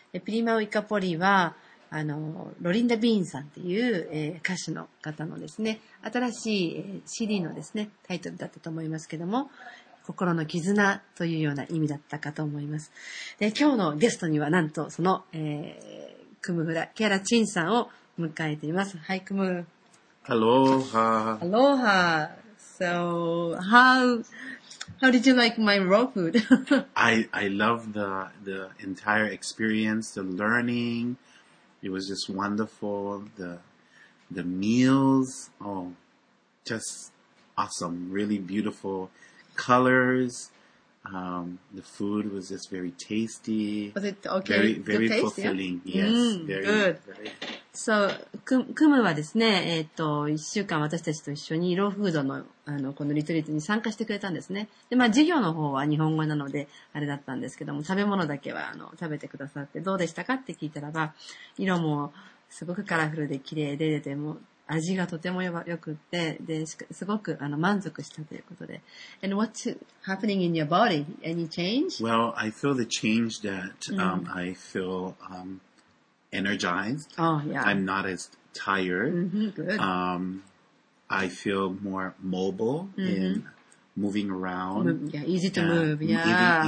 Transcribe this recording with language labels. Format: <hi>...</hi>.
<ja>ピリマウイカポリはあのロリンダ・ビーンさんっていう、歌手の方のですね、新しい CD のですねタイトルだったと思いますけども、心の絆というような意味だったかと思います。で今日のゲストにはなんとその、クムフラケアラチンさんを迎えています。はい、クム、</ja> <haw>アローハー。アローハー。</haw> <en>So how did you like my raw food? I love the entire experience, the learning. It was just wonderful. The meals, oh, just awesome. Really beautiful colors. The food was just very tasty. Was it okay? Very, very taste, fulfilling. Yeah? Yes, very good.</en> <ja>So, クムはですね、一週間私たちと一緒にローフードの、このリトリートに参加してくれたんですね。で、まあ、授業の方は日本語なので、あれだったんですけども、食べ物だけは、食べてくださって、どうでしたかって聞いたらば、色もすごくカラフルで綺麗で、でも、味がとても良くって、で、すごく、満足したということで。</ja> <en>And what's happening in your body? Any change? Well, I feel the change that, I feel, energized. Oh, yeah. I'm not as tired. Mm-hmm, good. I feel more mobile mm-hmm. in moving around. Yeah, easy to move. Yeah.</en>